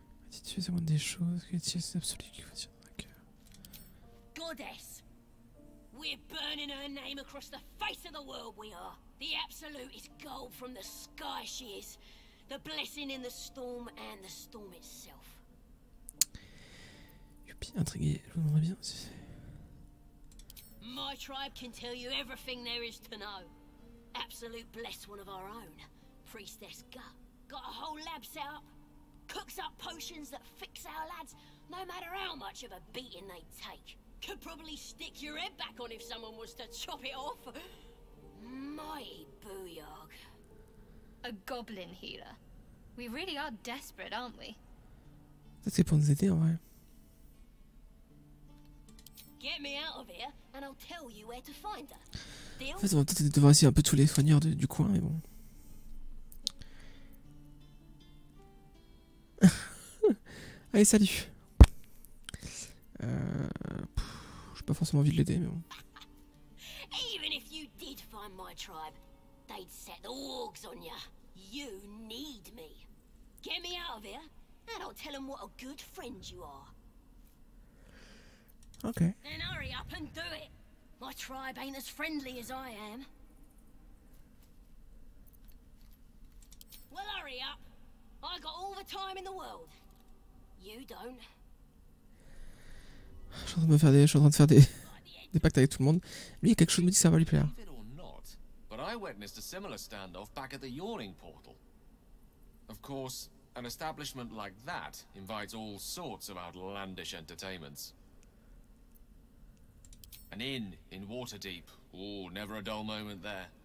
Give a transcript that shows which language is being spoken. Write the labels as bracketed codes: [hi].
[fr] Si tu fais seulement des choses que tu sais absolument qu'il faut dire. [en] Goddess, We're burning her name across the face of the world, we are. The Absolute is gold from the sky, she is. The blessing in the storm and the storm itself. You're being [fr] intrigué, je vous demanderais bien. [en] My tribe can tell you everything there is to know. Absolute bless one of our own. Priestess Gut. Got a whole lab set up. Cooks up potions that fix our lads, no matter how much of a beating they take. Could probably stick your head back on if someone was to chop it off. My Booyog. A goblin healer. We really are desperate, aren't we? [fr] C'est pour nous aider, en vrai. [en] Get me out of here, and I'll tell you where to find her. [fr] En fait, on va peut-être devoir essayer un peu tous les soigneurs du coin, mais bon. Allez, salut. J'ai pas forcément envie de l'aider, mais bon. [en] Even if you did find my tribe, they'd set the wargs on ya. You need me. Get me out of here, and I'll tell them what a good friend you are. Okay. Then hurry up and do it. My tribe ain't as friendly as I am. Well, hurry up. I got all the time in the world. You don't. [fr] Je suis en train de me faire des, des pactes avec tout le monde. Lui, quelque chose me dit que ça va lui plaire. [en] But I witnessed a similar standoff back at the Yawning Portal. Of course, an establishment like that invites all sorts of outlandish entertainments. An inn in Waterdeep. Ooh, never a dull moment there.